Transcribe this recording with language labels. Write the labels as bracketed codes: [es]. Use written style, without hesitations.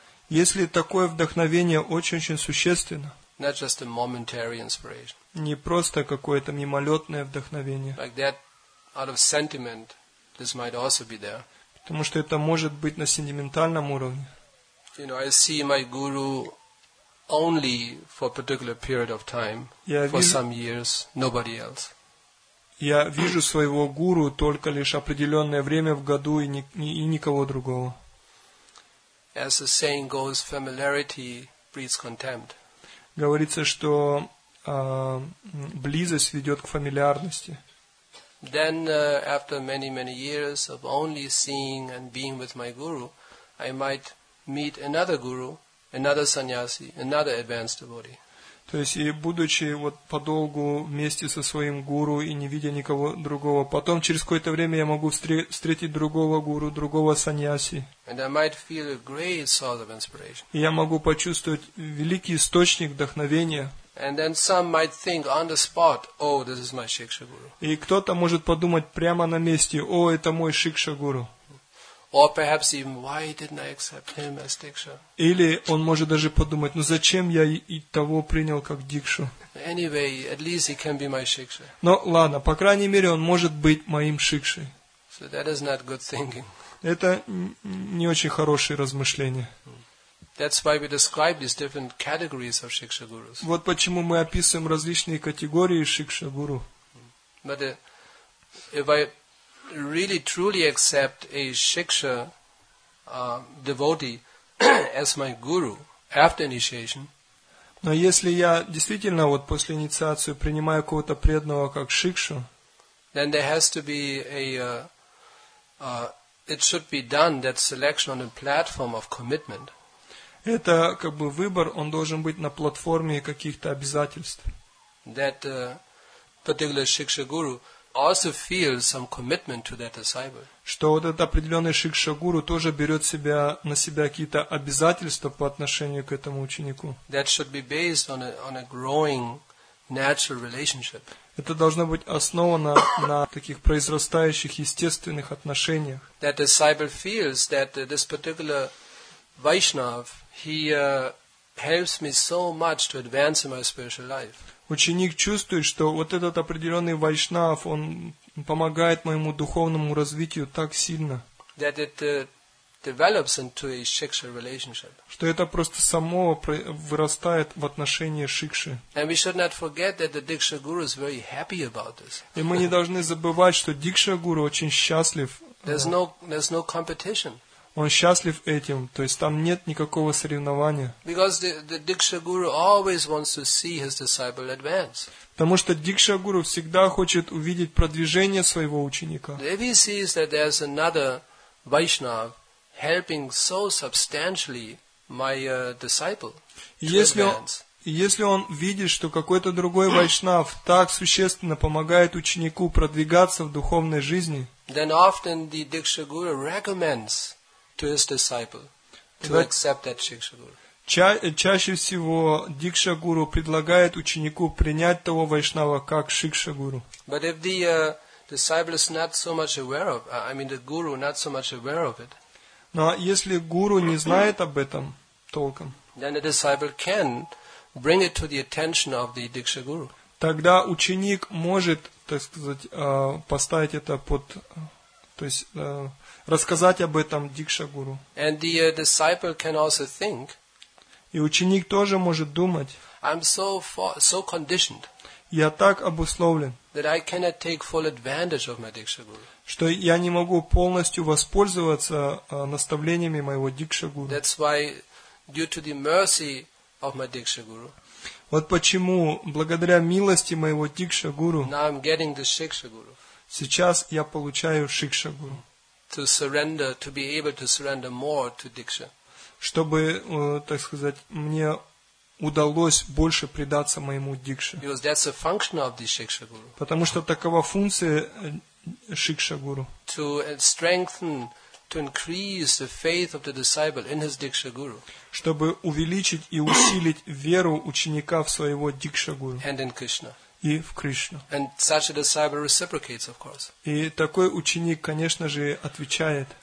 [ru] Если такое вдохновение очень-очень существенно, [en] not just a momentary inspiration. [ru] Не просто какое-то мимолетное вдохновение, [en] like that, out of sentiment, this might also be there. [ru] Потому что это может быть на сентиментальном уровне. [en] You know, I see my guru only for a particular period of time, for some years, nobody else. [ru] Я вижу своего гуру только лишь определенное время в году и никого другого. [en] As the saying goes, familiarity breeds contempt. [ru] Говорится, что близость ведет к фамильярности. [en] Then, after many, many years of only seeing and being with my guru, I might meet another guru, another sannyasi, another advanced devotee. [ru] То есть, и будучи вот подолгу вместе со своим гуру и не видя никого другого, потом через какое-то время я могу встретить другого гуру, другого саньяси. [en] And I might feel a great source of inspiration. [ru] И я могу почувствовать великий источник вдохновения. [en] And then some might think on the spot, oh, this is my Shiksha Guru. [ru] И кто-то может подумать прямо на месте, о, это мой Шикша Гуру. [en] Or perhaps even why didn't I accept him as Diksha? [ru] Или он может даже подумать, ну зачем я и того принял как дикшу? [en] Anyway, at least he can be my Shiksha. [ru] Но ладно, по крайней мере он может быть моим Шикшей. [en] So that is not good thinking. [ru] Это не очень хорошее размышление. [en] That's why we describe these different categories of Shiksha Gurus. [ru] Вот почему мы описываем различные категории Шикша Гуру. [en] But if I really truly accept a Shiksha devotee as my guru after initiation. [ru] Но если я действительно вот после инициации принимаю кого-то преданного как Шикшу, [en] then there has to be a it should be done, that selection, on a platform of commitment. [ru] Это как бы выбор, он должен быть на платформе каких-то обязательств. [en] That particular Shikshaguru also feels some commitment to that disciple. [ru] Что вот этот определенный Шикшагуру тоже берет себя, на себя какие-то обязательства по отношению к этому ученику. [en] That should be based on a growing natural relationship. [ru] Это должно быть основано на таких произрастающих естественных отношениях. [en] That disciple feels that this particular Vaishnav, he helps me so much to advance in my spiritual life. [ru] Ученик чувствует, что вот этот определенный вайшнав, он помогает моему духовному развитию так сильно. [en] That it develops into a shiksha relationship. [ru] Что это просто само вырастает в отношении шикши. [en] And we should not forget that the Diksha Guru is very happy about this. [ru] И мы не должны забывать, что Дикша Гуру очень счастлив. [en] There's no competition. [ru] Он счастлив этим, то есть там нет никакого соревнования. [en] Because the Diksha Guru always wants to see his disciple advance. [ru] Потому что Дикша Гуру всегда хочет увидеть продвижение своего ученика. [en] If he sees that there's another Vaishnav helping so substantially my disciple [ru] Если он видит, что какой-то другой вайшнав так существенно помогает ученику продвигаться в духовной жизни, [en] then often the Diksha Guru recommends to his disciple to accept that Shiksha Guru. [ru] Чаще всего Дикша Гуру предлагает ученику принять того вайшнава как Шикша Гуру. [en] But if the disciple is not so much aware of, I mean the guru not so much aware of it, [ru] но если гуру не знает об этом толком, [en] then the disciple can bring it to the attention of the Diksha Guru. [ru] Тогда ученик может, так сказать, поставить это под, то есть рассказать об этом Дикша Гуру. [en] And the disciple can also think. [ru] И ученик тоже может думать. [en] I'm so conditioned. [ru] Я так обусловлен. [en] That I cannot take full advantage of my Diksha Guru. [ru] Что я не могу полностью воспользоваться наставлениями моего Дикша Гуру. [en] That's why, due to the mercy of my Diksha Guru. [ru] Вот почему, благодаря милости моего Дикша Гуру. [en] Now I'm getting the Shiksha Guru. [ru] Сейчас я получаю Шикша Гуру. [en] To surrender, to be able to surrender more to Diksha. [ru] Чтобы, так сказать, мне удалось больше предаться моему Дикше. [en] Because that's a function of the Shiksha Guru. [ru] Потому что такова функция Шикша Гуру. [en] To strengthen, to increase the faith of the disciple in his Diksha Guru. [ru] Чтобы увеличить и усилить веру ученика в своего Дикша Гуру. [en] And in Krishna. [ru] И в Кришну. [en] And such a disciple reciprocates, of course. [ru] И такой ученик, конечно же, отвечает.